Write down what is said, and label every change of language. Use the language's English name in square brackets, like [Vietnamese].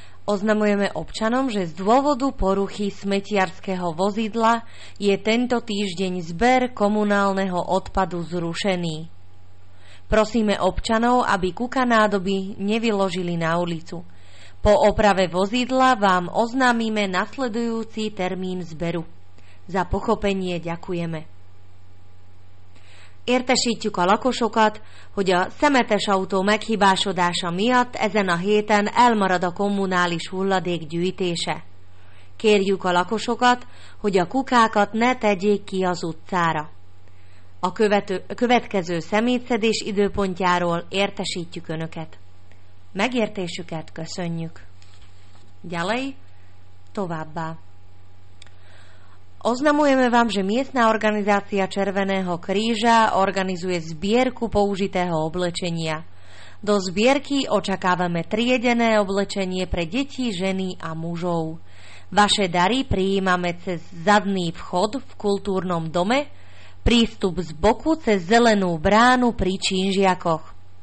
[Slovak] Oznamujeme občanom, že z dôvodu poruchy smetiarského vozidla je tento týždeň zber komunálneho odpadu zrušený. Prosíme občanov, aby kuka nádoby nevyložili na ulicu. Po oprave vozidla vám oznámime nasledujúci termín zberu. Za pochopenie ďakujeme. [Hungarian] Értesítjük a lakosokat, hogy a szemetes autó meghibásodása miatt ezen a héten elmarad a kommunális hulladék gyűjtése. Kérjük a lakosokat, hogy a kukákat ne tegyék ki az utcára. A következő szemétszedés időpontjáról értesítjük Önöket. Megértésüket köszönjük. Gyalej, továbbá. [Slovak] Oznamujeme vám, že miestna organizácia Červeného kríža organizuje zbierku použitého oblečenia. Do zbierky očakávame triedené oblečenie pre deti, ženy a mužov. Vaše dary prijímame cez zadný vchod v kultúrnom dome, prístup z boku cez zelenú bránu pri činžiakoch.